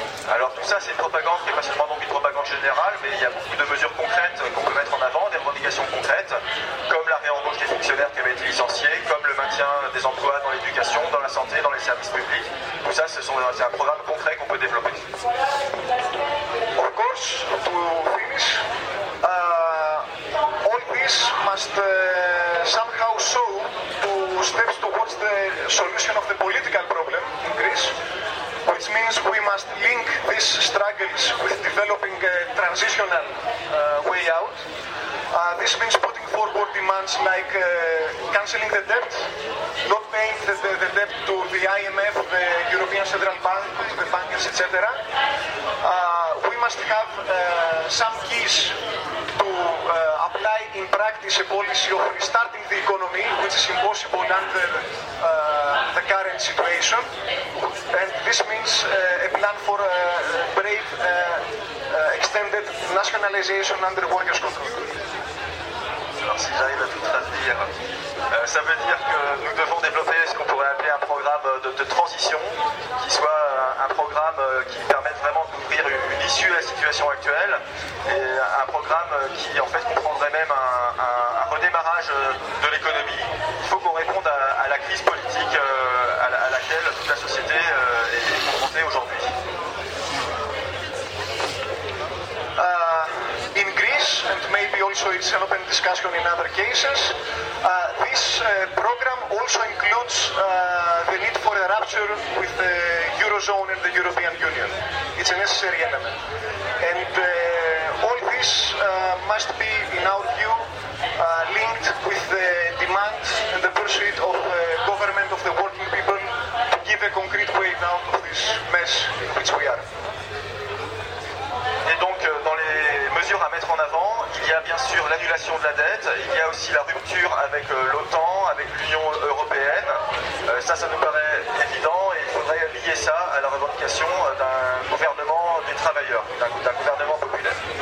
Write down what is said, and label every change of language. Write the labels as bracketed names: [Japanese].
[French] Alors tout ça c'est une propagande qui n'est pas seulement donc une propagande générale, mais il y a beaucoup de mesures concrètes qu'on peut mettre en avant, des revendications concrètes, comme la réembauche des fonctionnaires qui avaient été licenciés, comme le maintien des emplois dans l'éducation, dans la santé, dans les services publics. Tout ça c'est un programme concret qu'on peut développer. [English] Of course, to finish, all this must somehow show to steps towards the solution of the political problem in Greece. Which means we must link these struggles with developing a transitional way out. This means putting forward demands like cancelling the debt, not paying the debt to the IMF, the European Central Bank, the bankers, etc. We must have some keys to apply in practice a policy of restarting the economy, which is impossible under the current situation. And this means a plan for a brave extended nationalization under workers' control. [French] Alors si j'arrive à tout traduire, ça veut dire que nous devons développer ce qu'on pourrait appeler un programme de transition, qui soit un programme qui permette vraiment d'ouvrir une issue à la situation actuelle, et un programme qui en fait comprendrait même un redémarrage de l'économie. Il faut qu'on réponde à la crise politique à laquelle toute la société est confrontée aujourd'hui. [English] And maybe also it's an open discussion in other cases. This program also includes the need for a rupture with the Eurozone and the European Union. It's a necessary element. And all this must be, in our view, linked with the demand and the pursuit of the government of the working people to give a concrete way out of business, which we are. [French] Et donc, dans les mesures à mettre en avant, il y a bien sûr l'annulation de la dette, il y a aussi la rupture avec l'OTAN, avec l'Union européenne. Ça nous paraît évident et il faudrait lier ça à la revendication d'un gouvernement des travailleurs, d'un gouvernement populaire.